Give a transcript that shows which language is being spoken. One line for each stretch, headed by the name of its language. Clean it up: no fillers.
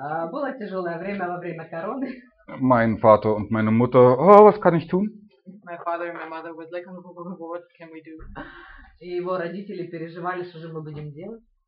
Russian: Было тяжелое время во время короны.
German: Mein Vater und meine Mutter. Oh, was kann ich tun?
English: My father and my mother was like, what can we do?
Russian: И его родители переживали, что же мы будем делать.